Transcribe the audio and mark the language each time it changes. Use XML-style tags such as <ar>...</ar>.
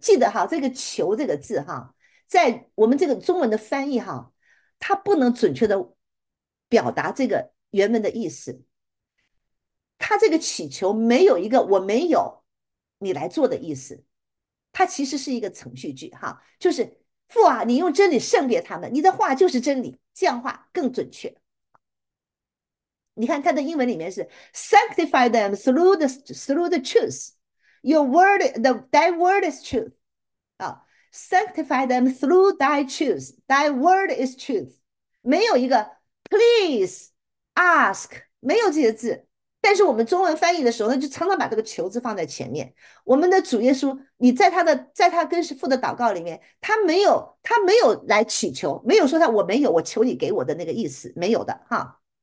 <zh>”记得哈，这个"求"这个字哈，在我们这个中文的翻译哈，它不能准确的表达这个原文的意思。他这个祈求没有一个"我没有你来做"的意思，它其实是一个程序句哈，就是父啊，你用真理甄别他们，你的话就是真理，这样话更准确。你看，它的英文里面是</zh> <en>"Sanctify them through the truth. Your word, thy word is truth." 啊，Sanctify them through thy truth. Thy word is truth.</en> <zh>没有一个</zh> <en>"please ask"，</en> <zh>没有这些字。但是我们中文翻译的时候呢，就常常把这个"求"字放在前面。我们的主耶稣，你在他跟父的祷告里面，他没有来祈求，没有说他我没有，我求你给我的那个意思，没有的哈。</zh>